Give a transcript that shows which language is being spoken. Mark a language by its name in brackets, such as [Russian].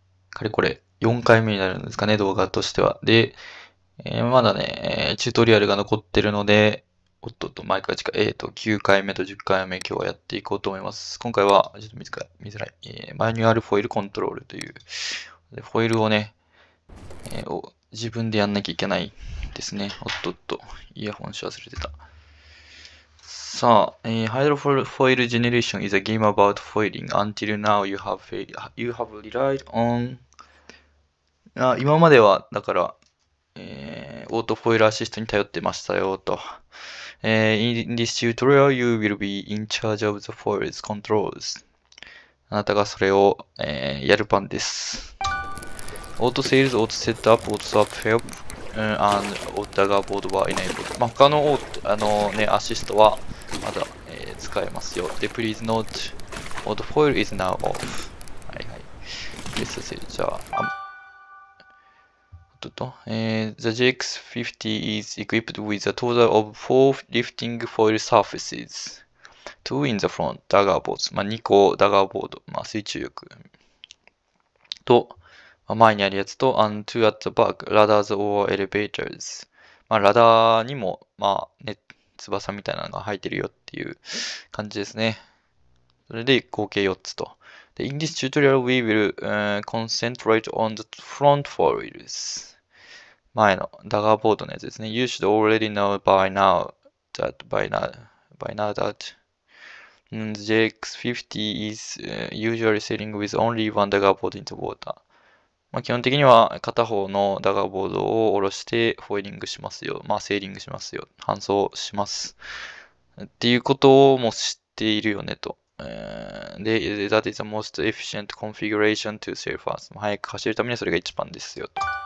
[Japanese] かれこれ、4回目になるんですかね、動画としては。で、まだね、チュートリアルが残ってるので、おっとっと、マイクが近い。 9回目と10回目、今日はやっていこうと思います。今回は、ちょっと見づらい。マニュアルフォイルコントロールという、で、フォイルをね、自分でやんなきゃいけない。ですね。おっとっと、イヤホンし忘れてた。 [English] さあ、Hydrofoil Generation is a game about foiling. Until now, you have relied on. [Japanese] 今までは、だから、オートフォイルアシストに頼ってましたよ、と。 [English] In this tutorial, you will be in charge of the foil's controls. [Japanese] あなたがそれを、やる番です。 [English] Auto sales, auto setup, auto swap help. [Japanese] オッダガーボードは [English] enabled。 [Japanese] まあ、他のアシストはまだ、使えますよ。 [English] で、please note, auto foil is now off. はいはい。 Let's see, じゃあ、the GX50 is equipped with a total of four lifting foil surfaces. Two in the front, [Japanese] ダガーボード。まあ、2個ダガーボード。まあ、水中力。 [English] と、 [Japanese] 前にあるやつと、 [English] and two at the back, ladders or elevators. [Japanese] まあ、ラダーにも、まあ、ね、翼みたいなのが生えてるよっていう感じですね。それで、合計4つと。 [English] で、In this tutorial, we will, concentrate on the front foils. [Japanese] 前のダガーボードのやつですね。 [English] You should already know by now that GX50 is, usually sailing with only one ダガーボード in the water. [Japanese] まあ、基本的には片方のダガーボードを下ろしてフォイリングしますよ。まあセーリングしますよ。搬送します。っていうことをも知っているよねと。 [English] で、that is the most efficient configuration to sail fast. [Japanese] 早く走るためにはそれが一番ですよと。